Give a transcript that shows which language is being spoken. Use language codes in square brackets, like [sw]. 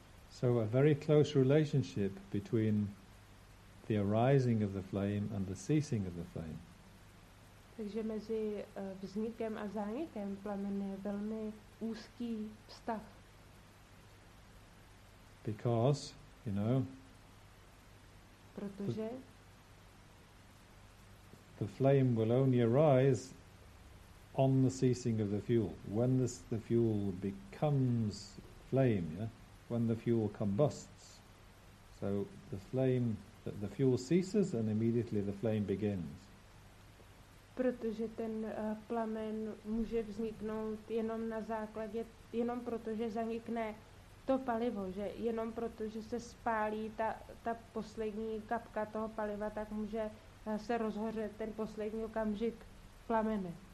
[en] So a very close relationship between the arising of the flame and the ceasing of the flame. [cs] Takže mezi vznikem a zánikem plamene je velmi úzký vztah. [en] Because, you know, [cs] protože [en] the flame will only arise on the ceasing of the fuel, when the fuel becomes flame, yeah? When the fuel combusts, so the flame, the fuel ceases, and immediately the flame begins. [cs] Protože ten plamen může vzniknout jenom na základě, jenom protože zanikne to palivo, že jenom protože se spálí ta poslední kapka toho paliva, tak může se rozhořet ten poslední okamžik plamene.